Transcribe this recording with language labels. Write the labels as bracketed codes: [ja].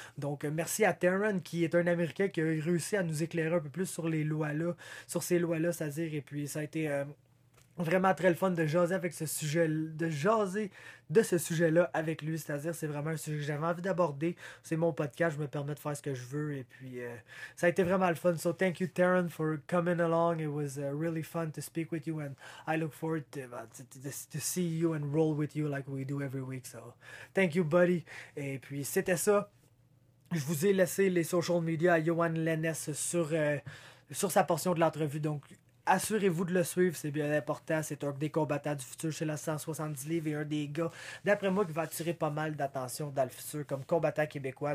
[fr] Donc merci à Taron, qui est un Américain qui a réussi à nous éclairer un peu plus sur les lois-là, sur ces lois-là, c'est-à-dire, et puis ça a été vraiment très le fun de jaser avec ce sujet, de jaser de ce sujet-là avec lui. C'est-à-dire, c'est vraiment un sujet que j'avais envie d'aborder. C'est mon podcast, je me permets de faire ce que je veux. Et puis, ça a été vraiment le fun. [en] So, thank you, Taron, for coming along. It was really fun to speak with you. And I look forward to see you and roll with you like we do every week. So, thank you, buddy. [fr] Et puis, c'était ça. Je vous ai laissé les social media à Johan Lennes sur sa portion de l'entrevue. Donc, assurez-vous de le suivre, c'est bien important. C'est un des combattants du futur chez la 170 livres et un des gars, d'après moi, qui va attirer pas mal d'attention dans le futur comme combattant québécois.